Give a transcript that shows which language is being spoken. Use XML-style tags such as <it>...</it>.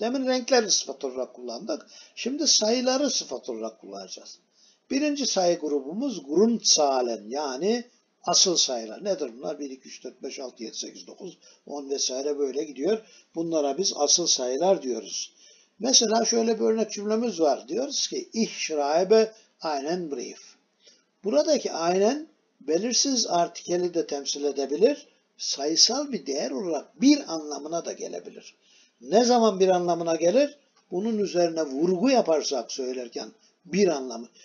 <tr>Demin renkleri sıfat olarak kullandık. Şimdi sayıları sıfat olarak kullanacağız. Birinci sayı grubumuz Grundzahlen yani asıl sayılar. Nedir bunlar? 1, 2, 3, 4, 5, 6, 7, 8, 9, 10 vesaire böyle gidiyor. Bunlara biz asıl sayılar diyoruz. Mesela şöyle bir örnek cümlemiz var. Diyoruz ki</tr> <de>Ich schreibe einen Brief.</de> <tr>Buradaki einen belirsiz artikeli de temsil edebilir. Sayısal bir değer olarak bir anlamına da gelebilir. Ne zaman bir anlamına gelir? Bunun üzerine vurgu yaparsak söylerken bir anlamı.</tr>